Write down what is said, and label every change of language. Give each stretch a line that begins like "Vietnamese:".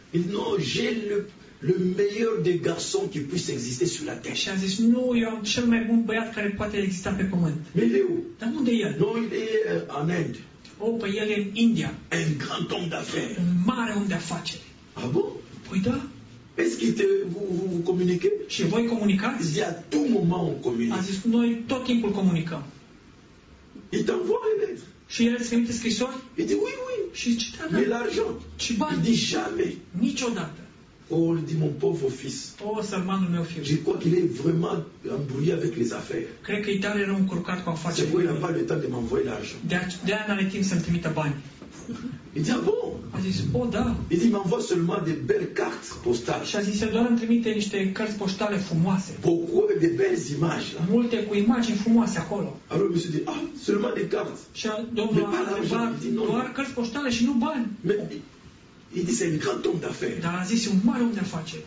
French: Il dit, non, j'ai le meilleur des garçons qui puisse exister sur la terre.
Romanian: Și a zis, nu, eu am cel mai bun băiat care poate exista pe pământ.
French: Mais il est où?
Romanian: Dar unde e el?
French: Non, il est en Inde.
Romanian: Oh, pe el e în India.
French: Un grand homme d'affaires.
Romanian: Un mare om de afaceri.
French: Ah bon?
Romanian: Păi da.
French: Est-ce que vous communiquez?
Romanian: Și voi comunicați? Zi,
French: à tout moment on communique.
Romanian: A zis, noi tot timpul comunicăm.
French: Il t'envoie une lettre.
Romanian: Și el îți trimite scrisori?
French: Il dit, oui.
Romanian: Și ce te-a dat?
French: Mais l'argent.
Romanian: Ce bani?
French: Il dit, jamais.
Romanian: Niciodată.
French: Oh, le dit, mon pauvre fils.
Romanian: Oh, sărmanul meu fiu.
French: Je crois qu'il est vraiment embrouillé avec les affaires.
Romanian: Cred că Italia era încurcat cu afacerile.
French: C'est pour il n'a pas le temps de m'envoyer l'argent.
Romanian: De-aia n-are timp să-mi trimită bani.
French: Il dit, ah bon?
Romanian: A zis, oh da.
French: Il dit, m'envoie seulement des belles cartes postales.
Romanian: Și a zis, doar îmi trimite niște cărți poștale frumoase.
French: Beaucoup de belles images. Là.
Romanian: Multe cu imagini frumoase acolo.
French: Alors, monsieur dit, ah, seulement des cartes.
Romanian: Și domnul a întrebat, doar cărți poștale și nu bani.
French: Il dit, c'est un grand homme d'affaires.
Romanian: Dar a zis, un mare om de afaceri.